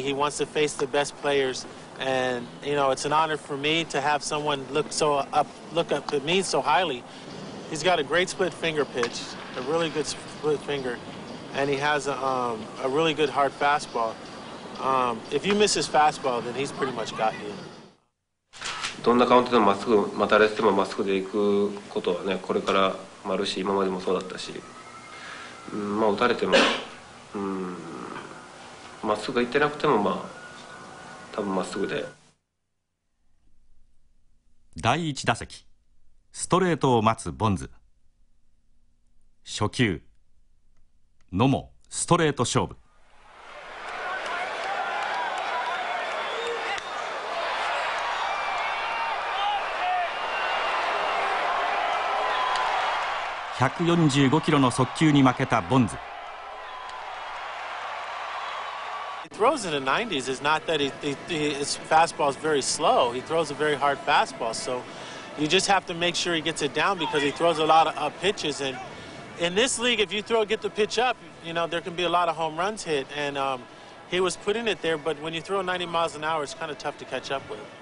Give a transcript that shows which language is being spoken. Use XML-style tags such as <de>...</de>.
<en>He wants to face the best players, and you know, it's an honor for me to have someone look up to me so highly. He's got a great split finger pitch, a really good split finger, and he has a really good hard fastball. If you miss his fastball, then he's pretty much got you.</en> <ja>どんなカウントでもまっすぐ待たれてもまっすぐで行くことはね、これからもあるし、今までもそうだったし。まあ、打たれても、まっすぐ行ってなくても、まあ、多分まっすぐで。第一打席、ストレートを待つボンズ。初球、野茂、ストレート勝負。 145キロの速球に負けたボンズ。</ja> <en>He throws in the 90s. It's not that his fastball is very slow. He throws a very hard fastball. So you just have to make sure he gets it down because he throws a lot of up pitches. And in this league, if you get the pitch up, you know, there can be a lot of home runs hit. And he was putting it there, but when you throw 90 miles an hour, it's kind of tough to catch up with.</en>